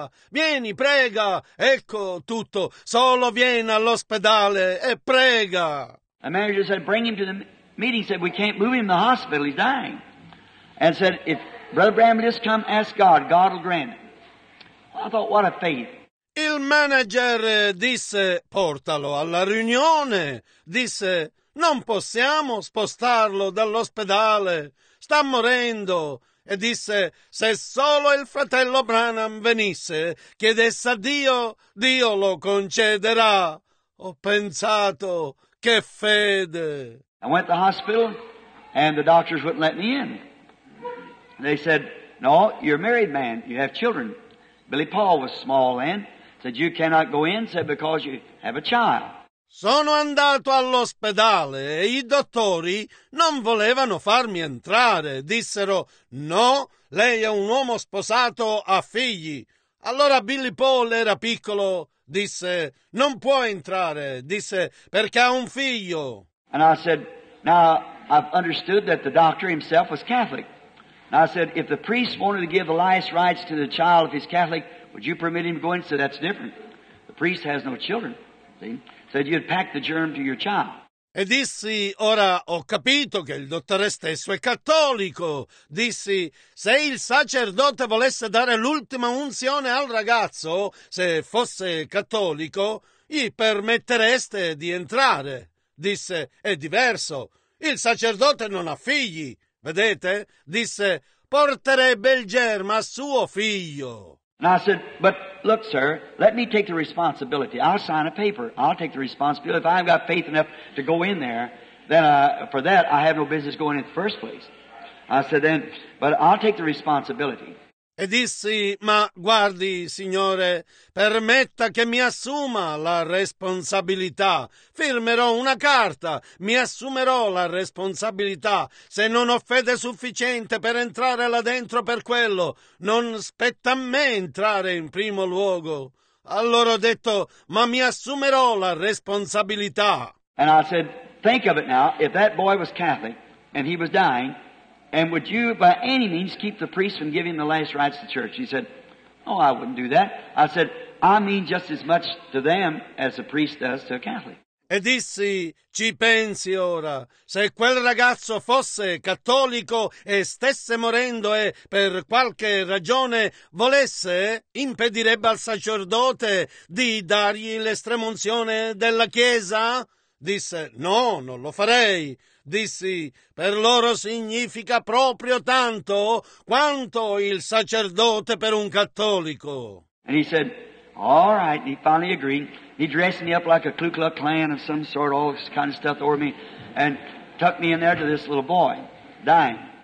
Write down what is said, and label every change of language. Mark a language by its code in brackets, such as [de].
[it] Vieni, prega, ecco tutto. Solo vieni all'ospedale e prega. [en] The manager said, bring him to the meeting. He said, we can't move him to the hospital, he's dying. And said, if Brother Bram just come, ask God, God will grant it. I thought, what a faith. [it] Il manager disse, portalo alla riunione. Disse, non possiamo spostarlo dall'ospedale. Sta morendo. E disse, se solo il fratello Branham venisse, chiedesse a Dio, Dio lo concederà. Ho pensato, che fede. [en] I went to the hospital and the doctors wouldn't let me in. They said, no, you're a married man, you have children. Billy Paul was small then, said you cannot go in, said because you have a child. [it] Sono andato all'ospedale e i dottori non volevano farmi entrare. Dissero, no, lei è un uomo sposato, ha figli. Allora Billy Paul era piccolo, disse, non può entrare, disse, perché ha un figlio. [en] And I said, now I've understood that the doctor himself was Catholic. And I said, if the priest wanted to give the last rites to the child, if he's Catholic, would you permit him to go in? He said, that's different. The priest has no children. See? He said, you'd pack the germ to your child. [it] E dissi, ora ho capito che il dottore stesso è cattolico. Dissi, se il sacerdote volesse dare l'ultima unzione al ragazzo, se fosse cattolico, gli permettereste di entrare. Disse, è diverso. Il sacerdote non ha figli. Vedete? Disse, porterebbe il germe a suo figlio. [en] And I said, but look, sir, let me take the responsibility. I'll sign a paper. I'll take the responsibility. If I've got faith enough to go in there, then for that I have no business going in the first place. I said, then, but I'll take the responsibility. [it] E dissi, ma guardi, signore, permetta che mi assuma la responsabilità. Firmerò una carta, mi assumerò la responsabilità. Se non ho fede sufficiente per entrare là dentro per quello, non spetta a me entrare in primo luogo. Allora ho detto, ma mi assumerò la responsabilità. [en] And I said, think of it now, if that boy was Catholic and he was dying, and would you by any means keep the priest from giving the last rites to church? He said, oh, I wouldn't do that. I said, I mean just as much to them as the priest does to a Catholic. [it] E dissi, ci pensi ora, se quel ragazzo fosse cattolico e stesse morendo e per qualche ragione volesse, impedirebbe al sacerdote di dargli l'estremunzione della Chiesa? Disse, no, non lo farei. Dissi, per loro significa proprio tanto quanto il sacerdote per un cattolico. [en] And he said, All right, and he finally agreed. He dressed me up like a Ku Klux Klan of some sort, all this kind of stuff over me, and tucked me in there to this little boy, dying.